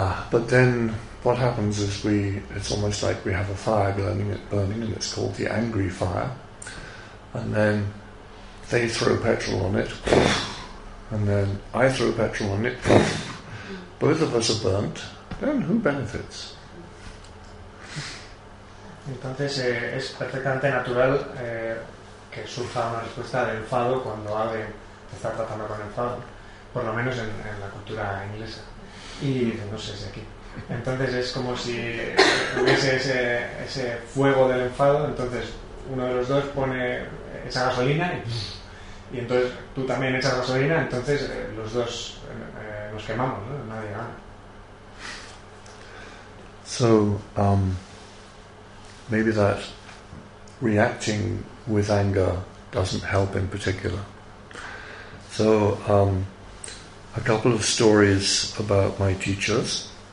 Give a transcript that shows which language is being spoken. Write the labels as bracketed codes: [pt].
[en] But then what happens is it's almost like we have a fire burning, and it's called the angry fire. And then they throw petrol on it, and then I throw petrol on it, both of us are burnt. Then who benefits? [es] Entonces es perfectamente natural que surja una respuesta de enfado cuando alguien te está tratando con enfado, por lo menos en la cultura inglesa. Y no sé si aquí. Entonces es como si hubiese ese fuego del enfado, entonces uno de los dos pone esa gasolina y entonces tú también echas gasolina, entonces los dos nos quemamos, ¿no? Nadie gana. [en] So maybe that reacting with anger doesn't help in particular. So a couple of stories about my teachers.